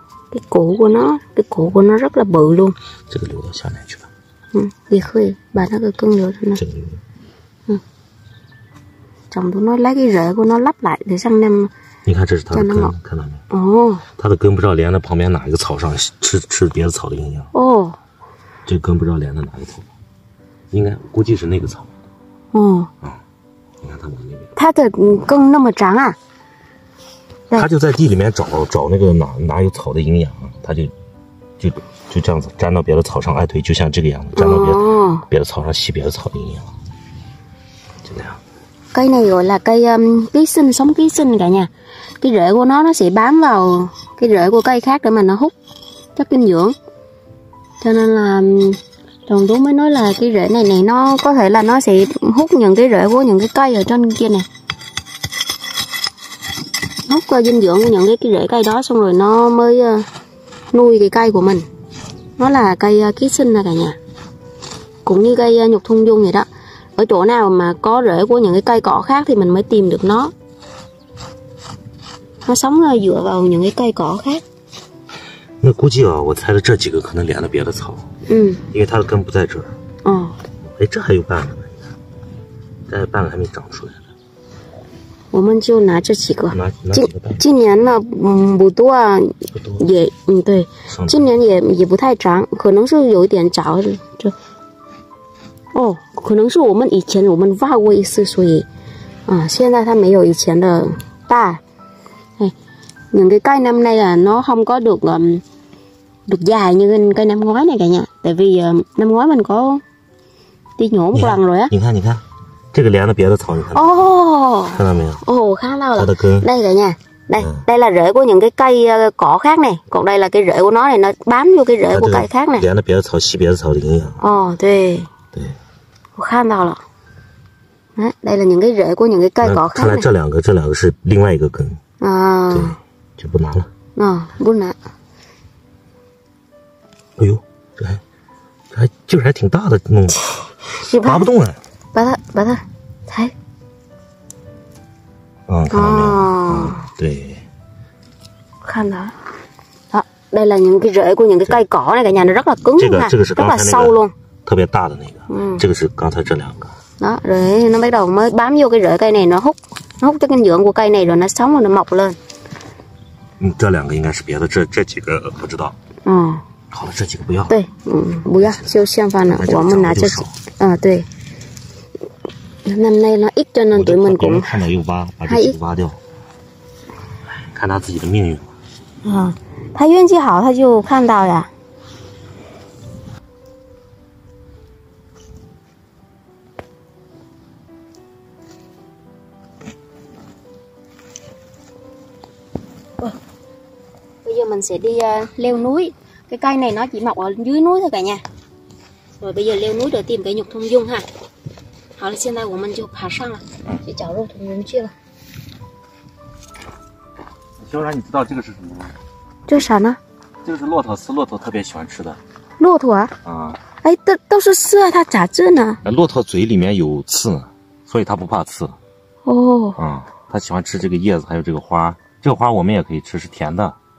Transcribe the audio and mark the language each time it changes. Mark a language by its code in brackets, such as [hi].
[vi] cái cổ của nó, cái cổ của nó rất là bự luôn. [zh] 这个留到下面去吧。嗯，也可以把那个根留着呢。这个。嗯。 [vi] chồng tôi nói lấy cái rễ của nó lắp lại để sang năm. [zh] 你看这是它的根，看到没？哦。它的根不知道连在旁边哪一个草上，吃别的草的营养。哦。这根不知道连在哪个草，应该估计是那个草。哦。啊、嗯，你看它往那边。它的根那么长啊？它就在地里面找那个哪有草的营养，它就这样子粘到别的草上，哎对，就像这个样子，粘到别的草上吸别的草的营养，就那样。 [vi] Cây này gọi là cây ký sinh, sống ký sinh cả nhà. Cái rễ của nó sẽ bám vào cái rễ của cây khác để mà nó hút chất dinh dưỡng. Cho nên là chồng tôi mới nói là cái rễ này nó có thể là nó sẽ hút những cái rễ của những cái cây ở trên kia này, hút dinh dưỡng của những cái rễ cây đó, xong rồi nó mới nuôi cái cây của mình. Nó là cây ký sinh nè cả nhà, cũng như cây nhục thung dung vậy đó. Ở chỗ nào mà có rễ của những cái cây cỏ khác thì mình mới tìm được nó. Nó sống là dựa vào những cái cây cỏ khác. [zh] 那估计啊，我猜的这几个可能连了别的草。嗯。因为它的根不在这儿。哦。哎，这还有半个呢，但是半个还没长出来呢。我们就拿这几个。拿几个半个。今年呢，不多啊，也对，今年也不太长，可能是有一点早就。哦，可能是我们以前我们挖过一次，所以，啊，现在它没有以前的大。 [vi] 哎，những cái cây năm nay là nó không có được được dài như cây năm ngoái này cả nhà, tại vì năm ngoái mình có đi nhổ một lần rồi á. [zh] 你看，这个连了别的草，你看。哦。看到没有？哦，看到了。它的根。 [vi] đây cả nhà, đây đây là rễ của những cái cây cỏ khác này, còn đây là cái rễ của nó này, nó bám vô cái rễ của cây khác này. [zh] 连了别的草，吸别的草的营养。哦，对。我看到了，哎， [vi] đây là những cái rễ của những cái cây cỏ khác。 [zh] 看来这两个是另外一个根。啊。对，就不拿了。啊，不拿。哎呦，这还劲儿还挺大的，弄的，拔不动了。把它抬。啊，看到没有？对。看到了，啊， [vi] đây là những cái rễ của những cái cây cỏ này, cả nhà nó rất là cứng, [zh] 这个是刚才那个。 [vi] rất là sâu luôn。 [zh] 特别大的那个，嗯，这个是刚才这两个。 [vi] đó rồi nó bắt đầu mới bám vô cái rễ cây này, nó hút cái dinh dưỡng của cây này rồi nó sống rồi nó mọc lên. [zh] 嗯，这两个应该是别的，这几个不知道。嗯。好了，这几个不要。对，嗯，不要，就先放了。我们拿这几，啊，对。 [vi] năm nay nó ít cho nên tụi mình cũng. [zh] 看到又挖，把这几个挖掉。看他自己的命运。啊，他运气好，他就看到呀。 [vi] Mình sẽ đi leo núi. Cái cây này nó chỉ mọc ở dưới núi thôi cả nhà. Rồi bây giờ leo núi để tìm cái nhục thung dung ha. Hoặc là hiện tại của mình chưa phá sang là chỉ chảo rồi thung dung chưa. [zh] Xiao Ran, 你知道这个是什么吗？这是啥呢？这个是骆驼丝，骆驼特别喜欢吃的。骆驼啊？啊。哎，都是丝啊，它咋治呢？骆驼嘴里面有刺，所以它不怕刺。哦。嗯，它喜欢吃这个叶子，还有这个花。这个花我们也可以吃，是甜的。